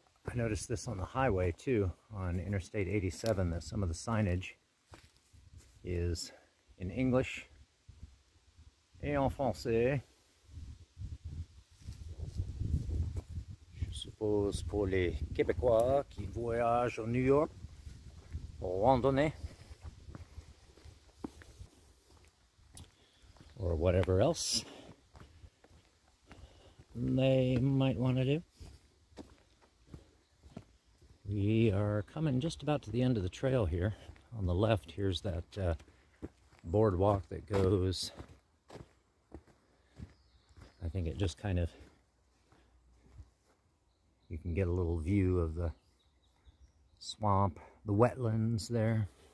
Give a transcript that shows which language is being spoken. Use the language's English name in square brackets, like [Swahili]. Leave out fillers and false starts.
[English] I noticed this on the highway too, on Interstate 87, that some of the signage is in English et en français. [French] Je suppose pour les Québécois qui voyagent au New York pour randonnée or whatever else they might want to do. [English] We are coming just about to the end of the trail here. On the left, here's that boardwalk that goes, I think it just kind of, you can get a little view of the swamp, the wetlands there.